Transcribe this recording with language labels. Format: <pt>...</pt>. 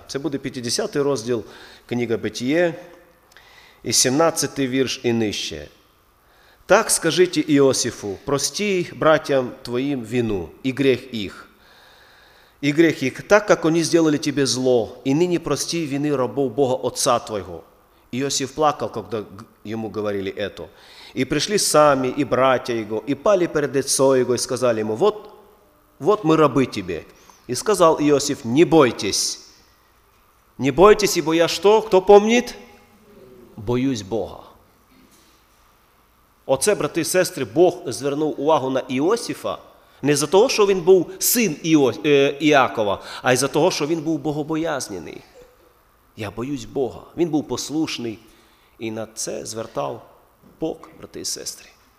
<uk>Це буде 50-й розділ книги «Битіє» і 17-й вірш і нижче. «Так скажіть Іосифу, прості братям твоїм вину і гріх їх. І гріх їх, так, як вони зробили тобі зло, і нині прості вини рабов Бога Отця твого».</uk> <ru>Иосиф плакал, когда ему говорили это. «И пришли сами, и братья его, и пали перед лицо его, и сказали ему, вот мы рабы тебе. И сказал Иосиф, не бойтесь, ибо я что, кто помнит? Боюсь Бога».</ru> <uk>Оце, брати</uk> <ru>и сестры,</ru> <uk>Бог звернув увагу на Иосифа не за того, що він був син Іакова, а й за того, що він був богобоязнений. Я боюсь Бога. Він був послушний і на це звертав Бог, брати і сестри.</uk>